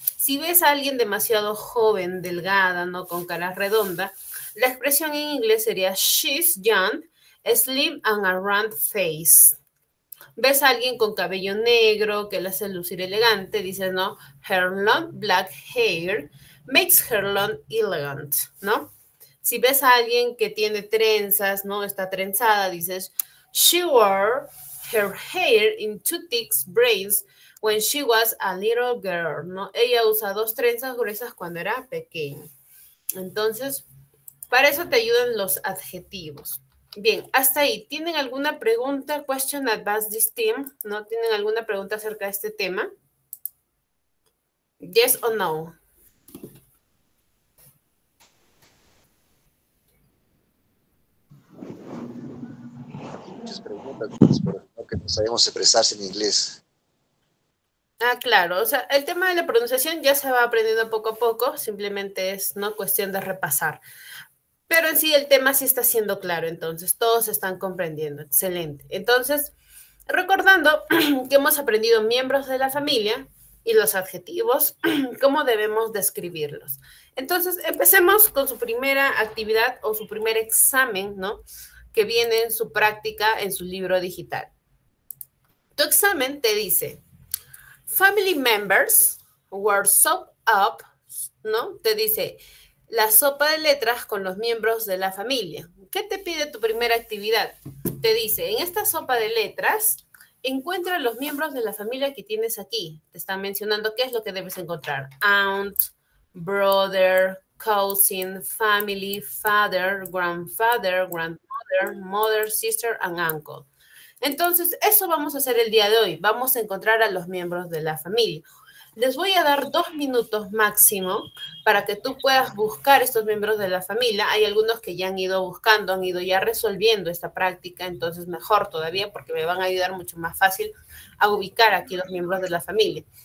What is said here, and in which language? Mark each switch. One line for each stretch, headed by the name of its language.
Spanish: Si ves a alguien demasiado joven, delgada, ¿no? Con cara redonda, la expresión en inglés sería
English: she's young, slim and a round face.
Spanish: Ves a alguien con cabello negro que le hace lucir elegante, dices, ¿no?
English: Her long black hair makes her long elegant, ¿no?
Spanish: Si ves a alguien que tiene trenzas, ¿no? Está trenzada, dices,
English: she wore her hair in two thick braids when she was a little girl,
Spanish: ¿no? Ella usa dos trenzas gruesas cuando era pequeña. Entonces, para eso te ayudan los adjetivos. Bien, hasta ahí. ¿Tienen alguna pregunta?
English: Question about this theme,
Spanish: ¿no? ¿Tienen alguna pregunta acerca de este tema?
English: Yes or no?
Spanish: Muchas preguntas, porque no sabemos expresarse en inglés. Ah, claro. O sea, el tema de la pronunciación ya se va aprendiendo poco a poco. Simplemente es, ¿no?, cuestión de repasar. Pero en sí el tema sí está siendo claro, entonces todos están comprendiendo. Excelente. Entonces, recordando que hemos aprendido miembros de la familia y los adjetivos, ¿cómo debemos describirlos? Entonces, empecemos con su primera actividad o su primer examen, ¿no?, que viene en su práctica en su libro digital. Tu examen te dice,
English: family members were soaked up,
Spanish: ¿no? Te dice, la sopa de letras con los miembros de la familia. ¿Qué te pide tu primera actividad? Te dice, en esta sopa de letras, encuentra los miembros de la familia que tienes aquí. Te están mencionando qué es lo que debes encontrar.
English: Aunt, brother, cousin, family, father, grandfather, grandmother, mother, sister, and uncle.
Spanish: Entonces, eso vamos a hacer el día de hoy. Vamos a encontrar a los miembros de la familia. Les voy a dar 2 minutos máximo para que tú puedas buscar estos miembros de la familia. Hay algunos que ya han ido buscando, han ido ya resolviendo esta práctica, entonces mejor todavía porque me van a ayudar mucho más fácil a ubicar aquí los miembros de la familia.